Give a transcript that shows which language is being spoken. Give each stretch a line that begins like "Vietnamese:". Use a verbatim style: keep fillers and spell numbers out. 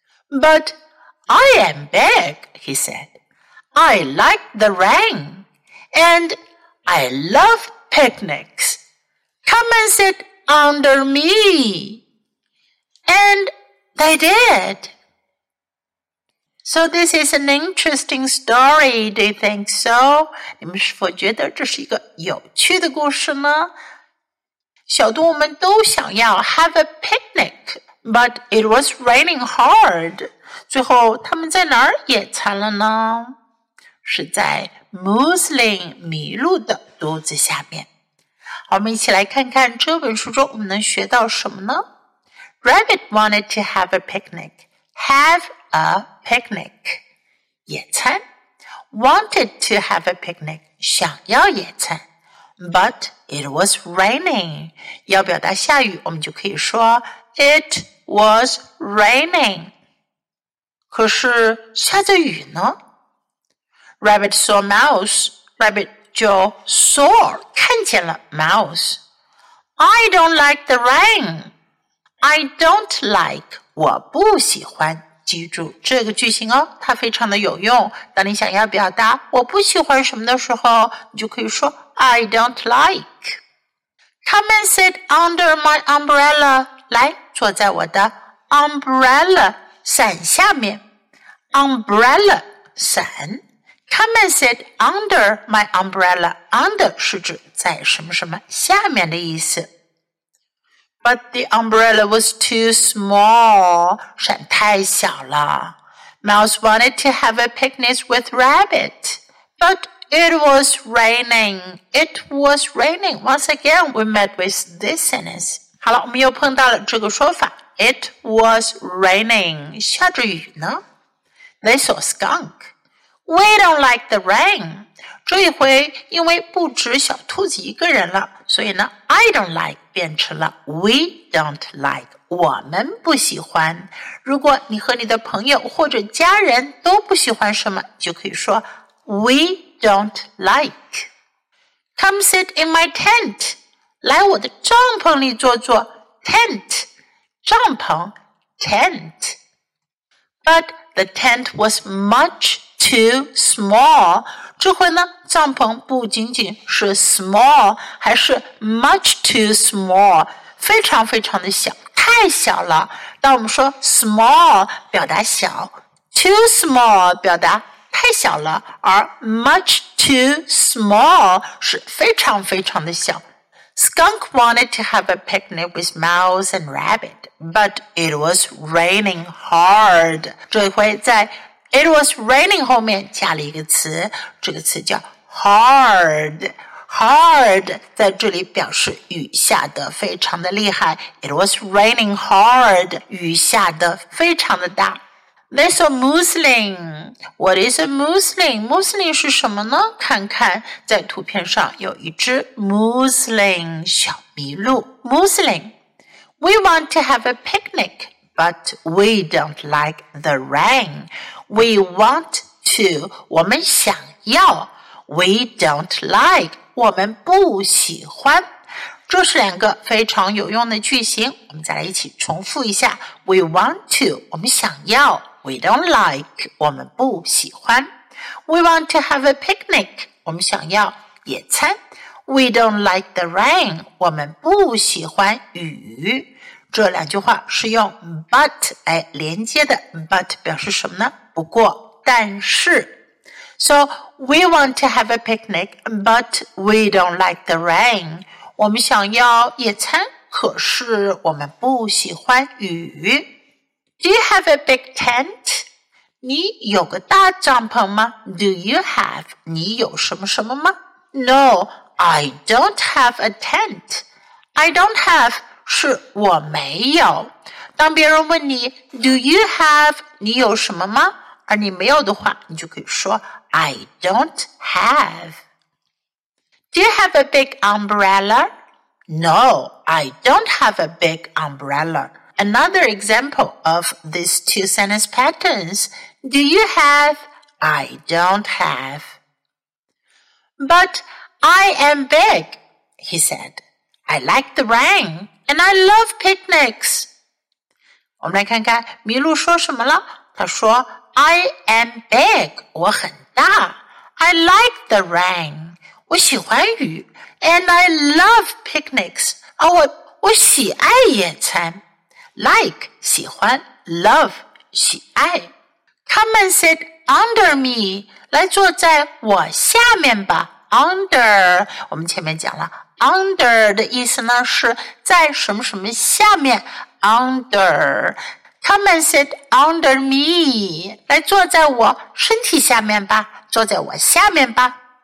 English: But I am big, he said. I like the rain, and I love picnics. Come and sit under me. And they did. So this is an interesting story, do you think so?
Chinese: 你们是否觉得这是一个有趣的故事呢？小动物们都想要
English: have a picnic. But it was raining hard.
Chinese: 最后他们在哪儿野餐了呢？是在 Mousseline 麋鹿的肚子下面。好，我们一起来看看这本书中我们能学到什么呢？
English: Rabbit wanted to have a picnic. Have a picnic.
Chinese: 野餐。
English: Wanted to have a picnic.
Chinese: 想要野餐。
English: But it was raining.
Chinese: 要表达下雨，我们就可以说
English: It was raining.
Chinese: 可是下着雨呢？
English: Rabbit saw Mouse. Rabbit 就 saw
Chinese: 看见了
English: Mouse. I don't like the rain. I don't like
Chinese: 我不喜欢。记住这个句型哦，它非常的有用。当你想要表达我不喜欢什么的时候，你就可以说
English: I don't like. Come and sit under my umbrella.
Chinese: 来，坐在我的 umbrella 伞下面。
English: umbrella 伞。 Come and sit under my umbrella.
Chinese: Under 是指在什么什么下面的意思。
English: But the umbrella was too small.
Chinese: 伞太小了。
English: Mouse wanted to have a picnic with Rabbit. But it was raining. It was raining. Once again, we met with this sentence.
Chinese: 好了，我们又碰到了这个说法
English: It was raining.
Chinese: 下着雨呢？
English: They saw skunk. We don't like the rain.
Chinese: 这一回因为不止小兔子一个人了，所以呢
English: I don't like
Chinese: 变成了
English: We don't like.
Chinese: 我们不喜欢。如果你和你的朋友或者家人都不喜欢什么，就可以说
English: We don't like. Come sit in my tent.
Chinese: 来我的帐篷里坐坐 tent 帐篷 tent
English: But the tent was much too small
Chinese: 这回呢帐篷不仅仅是 small 还是
English: much too small
Chinese: 非常非常的小太小了当我们说 small 表达小 too small 表达太小了而
English: much too small
Chinese: 是非常非常的小
English: Skunk wanted to have a picnic with Mouse and Rabbit, but it was raining hard.
Chinese: 这回在
English: it was raining
Chinese: 后面加了一个词，这个词叫 hard。 Hard 在这里表示雨下得非常的厉害。
English: It was raining hard.
Chinese: 雨下得非常的大。
English: There's a Muslim. What is a Muslim?
Chinese: Muslim 是什么呢？看看在图片上有一只 Muslim 小麋鹿。
English: Muslim. We want to have a picnic, but we don't like the rain. We want to.
Chinese: 我们想要。
English: We don't like.
Chinese: 我们不喜欢。这是两个非常有用的句型，我们再来一起重复一下。
English: We want to.
Chinese: 我们想要。
English: We don't like.
Chinese: 我们不喜欢。
English: We want to have a picnic.
Chinese: 我们想要野餐。
English: We don't like the rain.
Chinese: 我们不喜欢雨。这两句话是用 but 来连接的。 But 表示什么呢？不过，但是。
English: So, we want to have a picnic, but we don't like the rain.
Chinese: 我们想要野餐，可是我们不喜欢雨。
English: Do you have a big tent?
Chinese: 你有个大帐篷吗？
English: Do you have?
Chinese: 你有什么什么吗？
English: No, I don't have a tent. I don't have
Chinese: 是我没有。 当别人问你
English: Do you have?
Chinese: 你有什么吗？而你没有的话，你就可以说
English: I don't have. Do you have a big umbrella? No, I don't have a big umbrella. Another example of these two sentence patterns. Do you have? I don't have. But I am big, he said. I like the rain and I love picnics.
Chinese: 我们来看看麋鹿说什么了。他说
English: I am big.
Chinese: 我很大。
English: I like the rain.
Chinese: 我喜欢雨。
English: And I love picnics.
Chinese: 而我我喜爱野餐。 Like 喜欢 ，love 喜爱。
English: Come and sit under me.
Chinese: 来坐在我下面吧。 Under 我们前面讲了 ，under 的意思呢是在什么什么下面 ，under。
English: Come and sit under me.
Chinese: 来坐在我身体下面吧，坐在我下面吧。